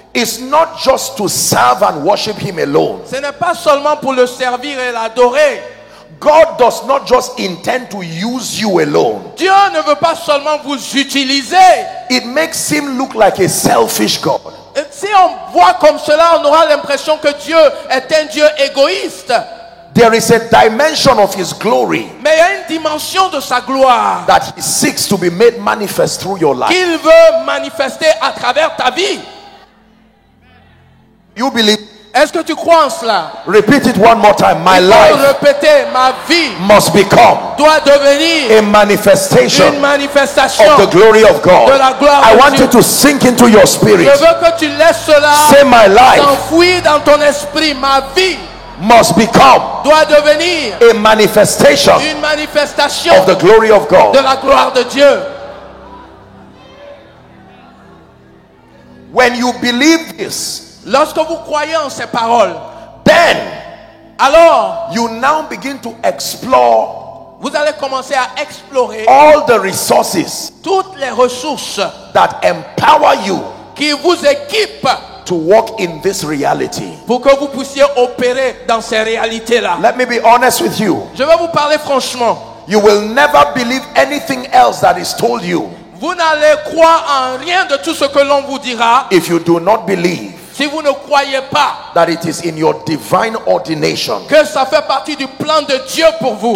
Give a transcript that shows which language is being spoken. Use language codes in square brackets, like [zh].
[en] is not just to serve and worship him alone. [fr] Ce n'est pas seulement pour le servir et l'adorer. [en] God does not just intend to use you alone. [fr] Dieu ne veut pas seulement vous utiliser. [en] It makes him look like a selfish God. [fr] Et si on voit comme cela, on aura l'impression que Dieu est un Dieu égoïste. [en] There is a dimension of his glory. [fr] Mais il y a une dimension de sa gloire. [en] That he seeks to be made manifest through your life. [fr] Qu'il veut manifester à travers ta vie. [en] You believe? [fr] Est-ce que tu crois en cela? [en] Repeat it one more time. My life, [fr] répéter, ma vie, [en] must become, [fr] doit devenir [en] a manifestation, [fr] une manifestation [en] of the glory of God. [fr] De la gloire [en] I [fr] de [en] want [fr] Dieu. [en] It to sink into your spirit. [fr] Je veux que tu laisses cela. [en] Say my life, [fr] t'enfouir dans ton esprit, ma vie [en] must become, [fr] doit devenir [en] a manifestation, [fr] une manifestation [en] of the glory of God. [fr] De la gloire de Dieu. [en] When you believe this, [fr] lorsque vous croyez en ces paroles, [en] then, [fr] alors, [en] you now begin to explore, [fr] vous allez commencer à explorer [en] all the resources, [fr] toutes les ressources [en] that empower you, [fr] qui vous équipent [en] to walk in this reality, [fr] pour que vous puissiez opérer dans ces réalités-là. [en] Let me be honest with you. [fr] Je vais vous parler franchement. [en] You will never believe anything else that is told you. [fr] Vous n'allez croire en rien de tout ce que l'on vous dira. [en] If you do not believe. [fr] Si vous ne croyez pas [en] that it is in your divine ordination, [fr] que ça fait partie du plan de Dieu pour vous,